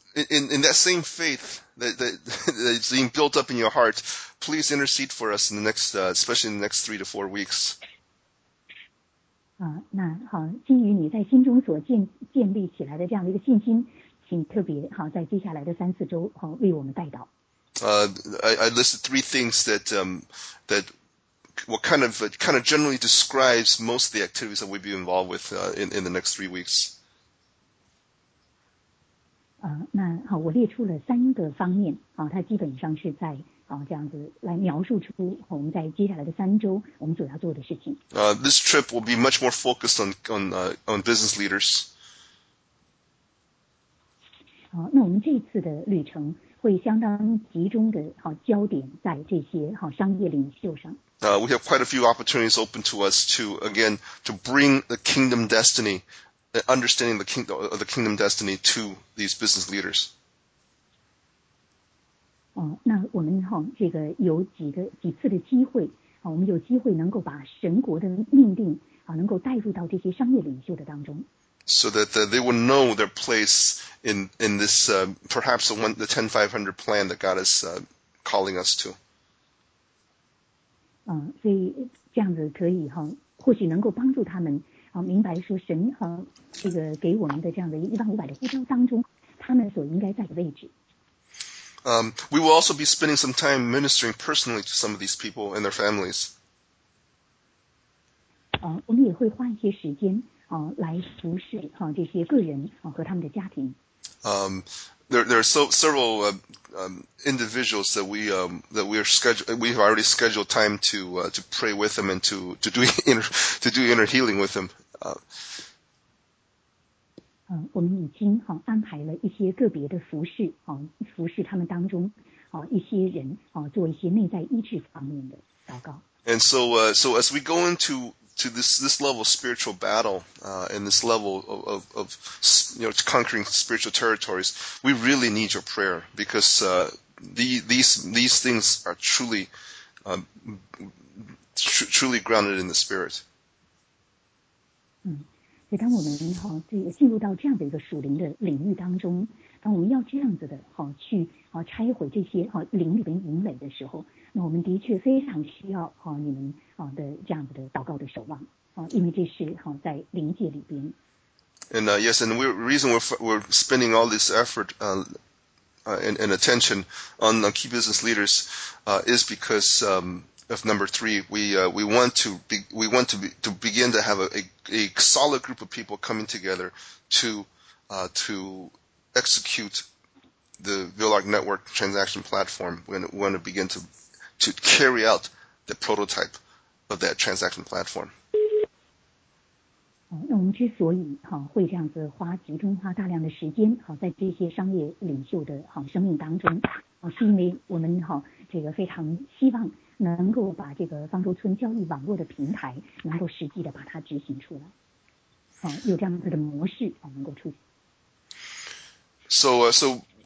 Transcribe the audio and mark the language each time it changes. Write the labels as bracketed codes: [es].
[en] In that same faith that is being built up in your heart, please intercede for us in the next, especially in the next 3 to 4 weeks. [zh] 那好，基于你在心中所建立起来的这样的一个信心，请特别好在接下来的三四周好为我们代祷。 [en] I listed three things that what kind of generally describes most of the activities that we'll be involved with in the next 3 weeks. [zh] 那好，我列出了三个方面，它基本上是在这样子来描述出我们在接下来的三周我们所要做的事情。 [en] This trip will be much more focused on business leaders. [zh] 那我们这次的旅程会相当集中的焦点在这些商业领袖上。 [en] We have quite a few opportunities open to us to bring the kingdom destiny, understanding the kingdom destiny to these business leaders. [zh] 那我们这个有几次的机会，我们有机会能够把神国的命定能够带入到这些商业领袖的当中。 [en] So that they will know their place in this perhaps the 10-500 plan that God is calling us to. [zh] 所以这样子可以或许能够帮助他们明白说神这个给我们的这样的1500的呼召当中他们所应该在的位置。 [en] We will also be spending some time ministering personally to some of these people and their families. [zh] 我们也会花一些时间来服侍这些个人和他们的家庭。 [en] There are several individuals that we have already scheduled time to pray with them and to do inner healing with them. [zh] 我们已经安排了一些个别的服事服事他们当中一些人做一些内在医治方面的祷告。 [en] And so so as we go into this level of spiritual battle, and this level of conquering spiritual territories, we really need your prayer because, these things are truly, truly grounded in the spirit. [zh] 所以当我们进入到这样的一个属灵的领域当中，当我们要这样子的去拆毁这些灵里边营垒的时候，那我们的确非常需要你们的这样子的祷告的守望因为这是在灵界里边。 [en] And yes, and the reason we're spending all this effort and attention on the key business leaders is because of number three, we want to begin to have a solid group of people coming together to execute the Villarc network transaction platform. We want to begin to carry out the prototype of that transaction platform. [zh] 那我们之所以会这样子集中花大量的时间在这些商业领袖的生命当中是因为我们这个非常希望能够把这个方舟村交易网络的平台能够实际的把它执行出来有这样子的模式能够出现。